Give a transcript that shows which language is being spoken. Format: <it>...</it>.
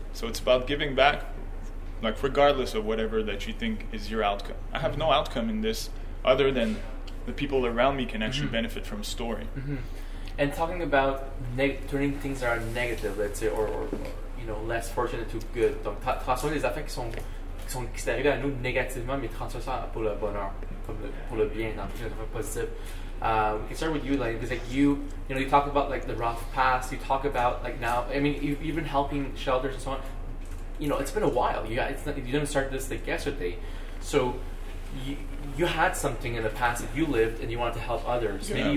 <en>So it's about giving back, like regardless of whatever that you think is your outcome. I have mm-hmm. no outcome in this other than the people around me can actually mm-hmm. benefit from a story. Mm-hmm. And talking about turning things that are negative, let's say, or you know, less fortunate to good.</en> <fr>Donc, transformer les affaires qui sont extérieures à nous négativement, mais transformer ça pour le bonheur, pour le bien, dans les affaires positives.</fr> <en>We can start with you, like, because, like, you know, you talk about, like, the rough past, you talk about, like, now, I mean, you've been helping shelters and so on, you know, it's been a while, you didn't start this, like, yesterday, so you had something in the past that you lived, and you wanted to help others, yeah.</en>